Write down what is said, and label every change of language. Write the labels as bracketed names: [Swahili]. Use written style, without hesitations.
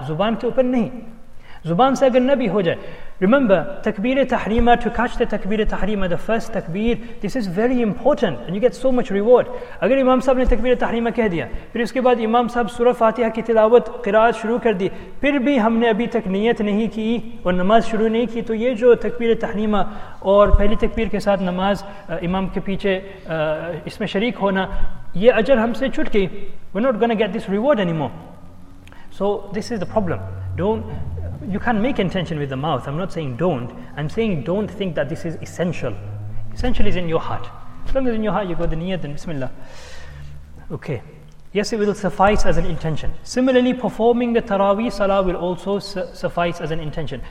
[Urdu] زبان کے اوپر نہیں۔ زبان سے اگر نبی ہو جائے۔ [English] Remember, takbir tahreema, to catch the takbir tahreema, the first takbir, this is very important and you get so much reward. [Urdu] اگر امام صاحب نے تکبیر تحریمہ کہہ دیا، پھر اس کے بعد امام صاحب سورہ فاتحہ کی تلاوت قرات شروع کر دی، پھر بھی ہم نے ابھی تک نیت نہیں کی اور نماز شروع نہیں کی، تو یہ جو تکبیر تحریمہ اور پہلی تکبیر کے ساتھ نماز امام کے پیچھے اس میں شریک ہونا، یہ اجر ہم سے چھوٹ گئی۔ [English] We're not going to get this reward anymore. So this is the problem. Don't you can make intention with the mouth. I'm not saying don't. I'm saying don't think that this is essential. Essential is in your heart. As long as in your heart you got the niyat, then bismillah. Okay. Yes, it will suffice as an intention. Similarly, performing the Taraweeh Salah will also suffice as an intention.